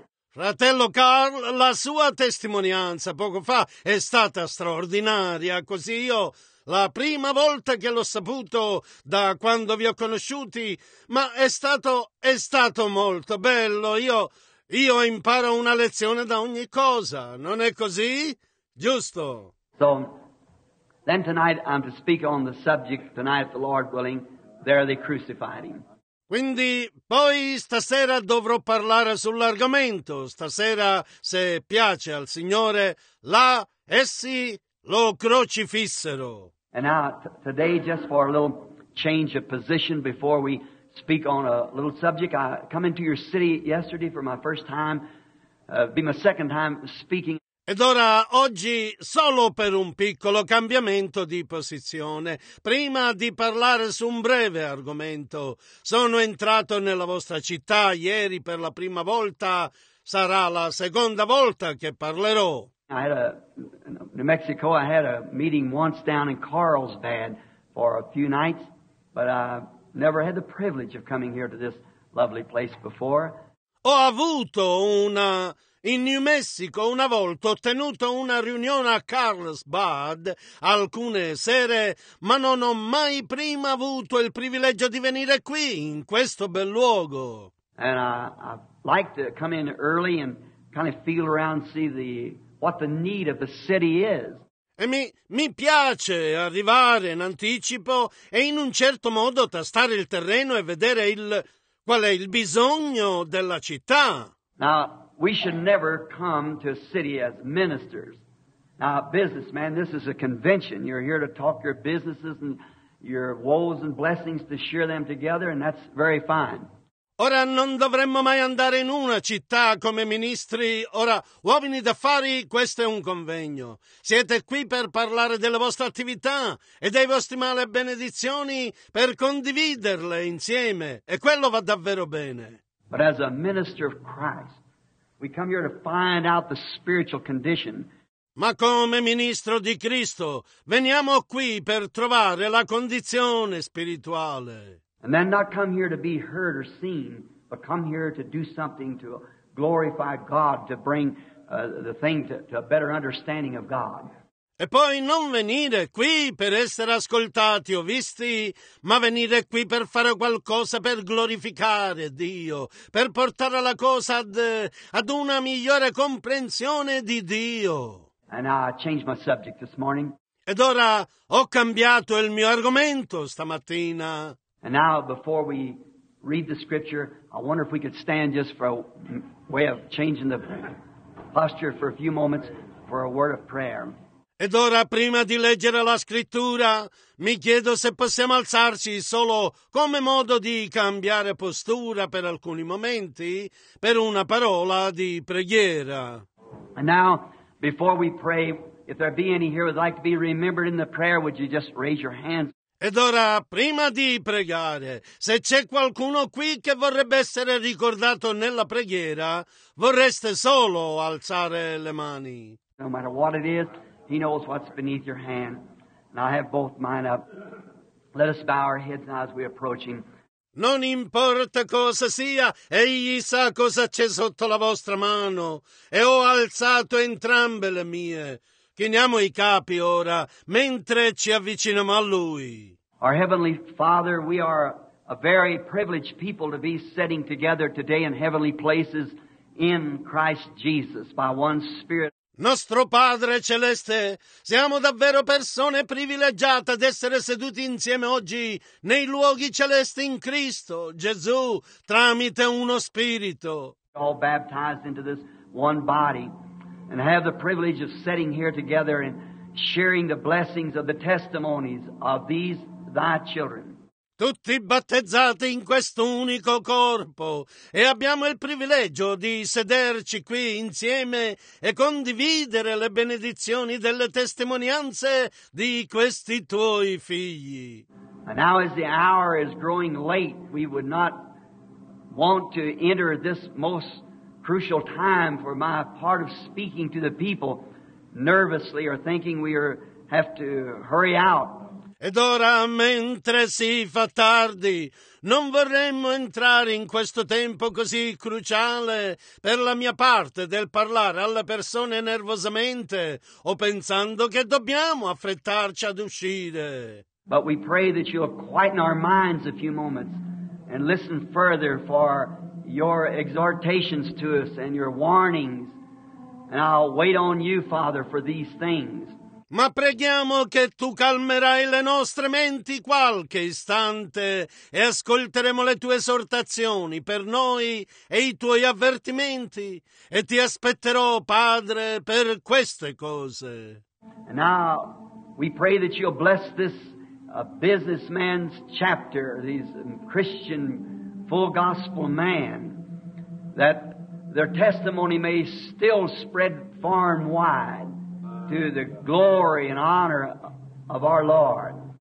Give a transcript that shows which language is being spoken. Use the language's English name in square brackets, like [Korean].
[Italian] Fratello Carl, la sua testimonianza poco fa è stata straordinaria, così io la prima volta che l'ho saputo da quando vi ho conosciuti, ma è stato molto bello. Io imparo una lezione da ogni cosa, non è così? Giusto. [English] So, then tonight I'm to speak on the subject, tonight the Lord willing, there they crucified him. [Italian] Quindi poi stasera dovrò parlare sull'argomento, stasera se piace al Signore, là essi lo crocifissero. [English] And now today, just for a little change of position before we speak on a little subject, I come into your city yesterday for my first time, be my second time speaking. [Italian] Ed ora oggi solo per un piccolo cambiamento di posizione, prima di parlare su un breve argomento, sono entrato nella vostra città ieri per la prima volta, sarà la seconda volta che parlerò. [English] In New Mexico I had a meeting once down in Carlsbad for a few nights, but I never had the privilege of coming here to this lovely place before. [Italian] Ho avuto una... In New Mexico una volta ho tenuto una riunione a Carlsbad alcune sere, ma non ho mai prima avuto il privilegio di venire qui, in questo bel luogo. [English] And I like to come in early and kind of feel around and see what the need of the city is. [Italian] E mi piace arrivare in anticipo e in un certo modo tastare il terreno e vedere qual è il bisogno della città. [English] Now, we should never come to a city as ministers. Now, businessman, this is a convention. You're here to talk your businesses and your woes and blessings, to share them together, and that's very fine. [Italian] Ora non dovremmo mai andare in una città come ministri. Ora, uomini d'affari, questo è un convegno. Siete qui per parlare delle vostre attività e dei vostri mali e benedizioni, per condividerle insieme, e quello va davvero bene. [English] But as a minister of Christ, we come here to find out the spiritual condition. [Italian] Ma come ministro di Cristo, veniamo qui per trovare la condizione spirituale. [English] And then not come here to be heard or seen, but come here to do something to glorify God, to bring the thing to a better understanding of God. [Italian] E poi non venire qui per essere ascoltati o visti, ma venire qui per fare qualcosa per glorificare Dio, per portare la cosa ad una migliore comprensione di Dio. [English] And I changed my subject this morning. [Italian] Ed ora ho cambiato il mio argomento stamattina. [English] And now before we read the scripture, I wonder if we could stand just for a way of changing the posture for a few moments for a word of prayer. [Italian] Ed ora, prima di leggere la scrittura, mi chiedo se possiamo alzarci solo come modo di cambiare postura per alcuni momenti, per una parola di preghiera. [English] And now, before we pray, if there be any here who would like to be remembered in the prayer, would you just raise your hands? [Italian] Ed ora, prima di pregare, se c'è qualcuno qui che vorrebbe essere ricordato nella preghiera, vorreste solo alzare le mani. [English] No matter what it is, He knows what's beneath your hand, and I have both mine up. Let us bow our heads now as we approach him. [Italian] Non importa cosa sia, egli sa cosa c'è sotto la vostra mano, e ho alzato entrambe le mie. Chiniamo i capi ora, mentre ci avviciniamo a lui. [English] Our Heavenly Father, we are a very privileged people to be sitting together today in heavenly places in Christ Jesus by one Spirit. [Italian] Nostro Padre Celeste, siamo davvero persone privilegiate ad essere seduti insieme oggi nei luoghi celesti in Cristo, Gesù, tramite uno Spirito. [English] All baptized into this one body and have the privilege of sitting here together and sharing the blessings of the testimonies of these thy children. [Italian] Tutti battezzati in quest'unico corpo e abbiamo il privilegio di sederci qui insieme e condividere le benedizioni delle testimonianze di questi tuoi figli. [English] And now as the hour is growing late, we would not want to enter this most crucial time for my part of speaking to the people nervously or thinking we are, have to hurry out. [Italian] Ed ora, mentre si fa tardi, non vorremmo entrare in questo tempo così cruciale per la mia parte del parlare alle persone nervosamente o pensando che dobbiamo affrettarci ad uscire. [English] But we pray that you'll quieten our minds a few moments and listen further for your exhortations to us and your warnings, and I'll wait on you, Father, for these things. [Italian] Ma preghiamo che tu calmerai le nostre menti qualche istante e ascolteremo le tue esortazioni per noi e i tuoi avvertimenti e ti aspetterò, Padre, per queste cose. [English] And now we pray that you'll bless this businessman's chapter, this Christian full gospel man, that their testimony may still spread far and wide to the glory and honor of our Lord.